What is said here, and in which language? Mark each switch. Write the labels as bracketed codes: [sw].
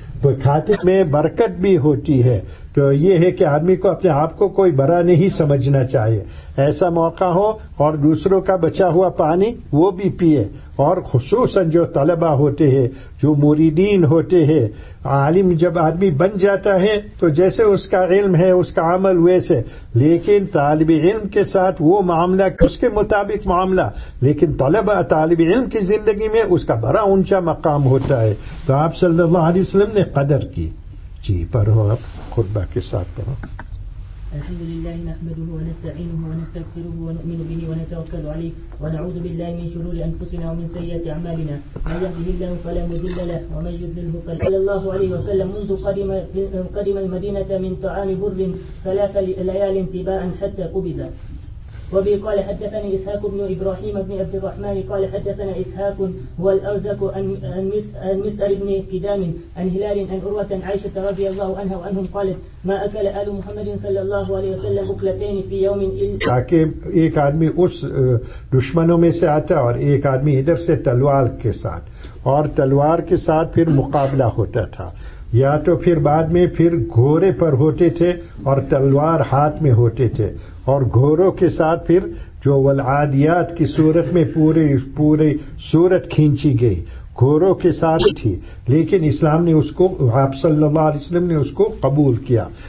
[hi] तो खाते में बरकत भी होती है, तो ये है कि आदमी को अपने आप को कोई बड़ा नहीं समझना चाहिए, ऐसा मौका हो और दूसरों का बचा हुआ पानी वो भी पिए, और खुसूसन जो तलबा होते हैं जो मुरीदीन होते हैं, आलिम जब आदमी बन जाता है तो जैसे उसका इल्म है उसका अमल वैसे, लेकिन तालिब इल्म के साथ वो मामला उसके मुताबिक मामला, लेकिन तलबा तालिब इल्म की जिंदगी में उसका बड़ा ऊंचा मकाम होता है। तो आप सल्लल्लाहु अलैहि वसल्लम ने कदर की जी, पढ़ो आप खुतबा के साथ पढ़ो। [ar] الحمد لله نحمده ونستعينه ونستغفره ونؤمن به ونتوكل عليه ونعوذ بالله من شرور أنفسنا ومن سيئات أعمالنا، من يهده الله فلا مضل له ومن يضلل فلا هادي له. صلى الله عليه وسلم منذ قدم المدينة من طعام بر ثلاث ليال تباء حتى قبض. وبه قال حدثني إسحاق بن إبراهيم بن عبد الرحمن قال حدثنا إسحاق هو الأرزق عن مسأل بن كدام عن هلال عن عروة عائشة رضي الله عنها وأنهم قالت ما أكل آل محمد صلى الله عليه وسلم أكلتين في يوم إلا [hi] تاكي ایک آدمی اس دشمنوں میں سے آتا اور ایک آدمی ادھر سے تلوار کے ساتھ اور تلوار کے ساتھ پھر مقابلہ ہوتا تھا या तो फिर बाद में फिर घोड़े पर होते थे और तलवार हाथ में होते थे और घोड़ों के साथ फिर जो वल आदियात की सूरत में पूरे सूरत खींची गई घोड़ों के साथ थी, लेकिन इस्लाम ने उसको आप सल्लल्लाहु अलैहि वसल्लम ने उसको कबूल किया।